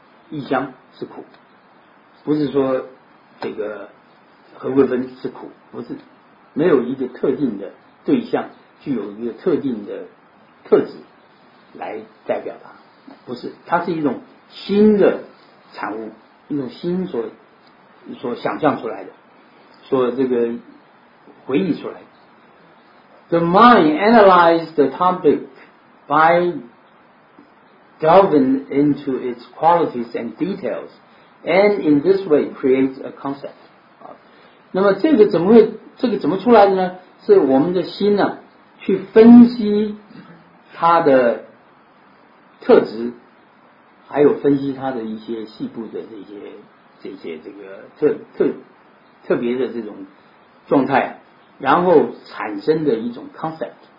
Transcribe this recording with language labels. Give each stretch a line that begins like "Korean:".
Chinese: 异乡是苦，不是说这个何桂芬是苦，不是，没有一个特定的对象具有一个特定的特质来代表它，不是，它是一种新的产物，一种心所想象出来的，所这个回忆出来的。
English: The mind analyzes the topic by delving into its qualities and details, and in this way creates a concept.
Chinese: 啊，那么这个怎么出来的呢？是我们的心呢、啊，去分析他的特质，还有分析他的一些细部的这些这个特别的这种状态，然后产生的一种 concept。